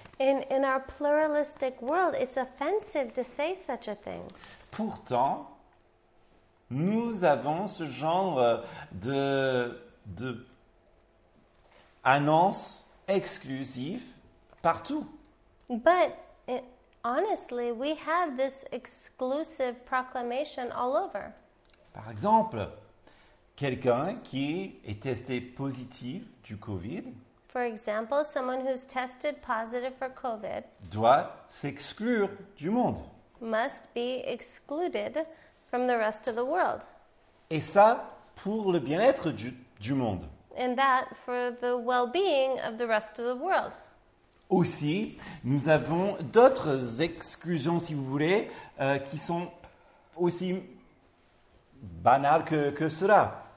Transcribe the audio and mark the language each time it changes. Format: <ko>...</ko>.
<en>In our pluralistic world, it's offensive to say such a thing.</en> <fr>Pourtant, nous avons ce genre de annonce exclusive partout.</fr> <en>But honestly, we have this exclusive proclamation all over.</en> <fr>Par exemple, quelqu'un qui est testé positif du COVID,</fr> <en>for example, someone who's tested positive for COVID,</en> <fr>doit s'exclure du monde.</fr> <en>Must be excluded from the rest of the world.</en> <fr>Et ça pour le bien-être du monde.</fr> <en>And that for the well-being of the rest of the world.</en> <fr>Aussi, nous avons d'autres exclusions, si vous voulez, qui sont aussi banales que cela.</fr>